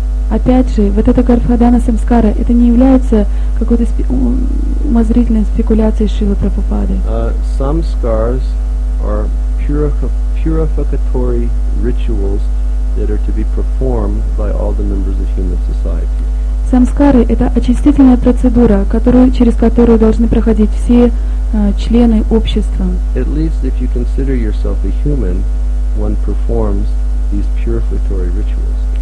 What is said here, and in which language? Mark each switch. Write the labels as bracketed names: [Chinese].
[Russian] Опять же, вот эта Гарбхадана Самскара, это не является какой-то умозрительной спекуляцией Шрилы Прабхупады. [English] Samskars are purificatory rituals that are to be performed by all the members of human society. [Russian] Самскары — это очистительная процедура, через которую должны проходить все члены общества. [English] At least if you consider yourself a human, one performs these purificatory rituals.